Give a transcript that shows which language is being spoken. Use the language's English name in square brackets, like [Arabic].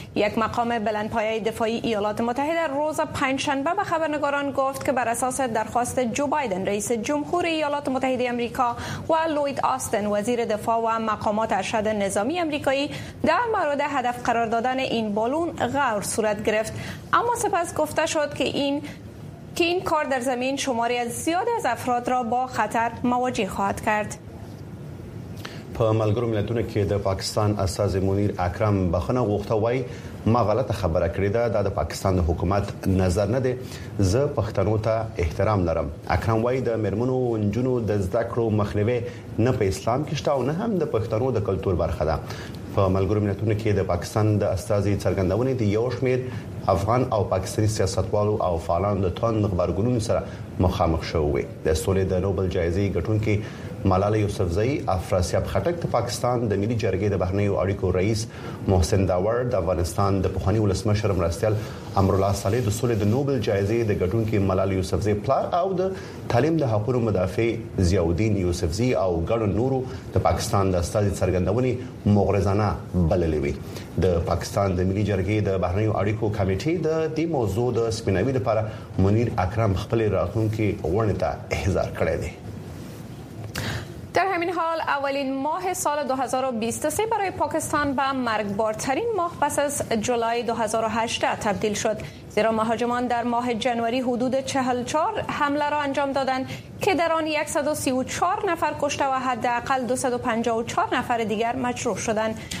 [Persian] یک مقام بلندپایه دفاعی ایالات متحده روز پنجشنبه به خبرنگاران گفت که بر اساس درخواست جو بایدن رئیس جمهور ایالات متحده آمریکا و لوید آستن وزیر دفاع و مقامات ارشد نظامی آمریکایی در مورد هدف قرار دادن این بالون غور صورت گرفت، اما سپس گفته شد که این کار در زمین شماری از زیادی از افراد را با خطر مواجه خواهد کرد. [Pashto] په ملګرو ملتونو کې د پاکستان استاد منیر اکرم بخنه غوښته وای ما غلطه خبره کړی ده، دا د پاکستان د حکومت نظر نه دی، زه پښتنو ته احترام لرم. اکرم وای د میرمنو ونجونو د زده کړو مخنیوی نه په اسلام کې شته او نه هم د پښتنو د کلتور برخه ده. په ملګرو ملتونو کې د پاکستان د استازي څرګندونې د یو شمېر افغان او پاکستاني سیاستوالو او فعالانو د توند غبرګونونو سره مخامخ شوې. د سولې د نوبل جایزې ګټونکي ملالا یوسفزئی، افراسیاب خټک، د پاکستان د ملي جرګې د بهرنیو اړیکو رئیس محسن داور، د افغانستان د پخواني ولسمشر مرستیال امرالله صالح، د سولې د نوبل جایزې د ګټونکي ملالا یوسفزئی پلار او د تعلیم د حقوقو مدافع ضیاءالدین یوسفزئی او ګڼو نورو د پاکستان د استازي څرګندونې مغرضانه بللې وي. د پاکستان د ملي جرګې د بهرنیو اړیکو کمیټې د دې موضوع د سپیناوي لپاره منیر اکرم خپل راتلونکي غونډې ته احضار کړی دی. [Persian] در همین حال اولین ماه سال 2023 برای پاکستان به مرگبارترین ماه پس از جولای 2018 تبدیل شد، زیرا مهاجمان در ماه جنوری حدود 44 حمله را انجام دادند که در آن 134 نفر کشته و حداقل 254 نفر دیگر مجروح شدند.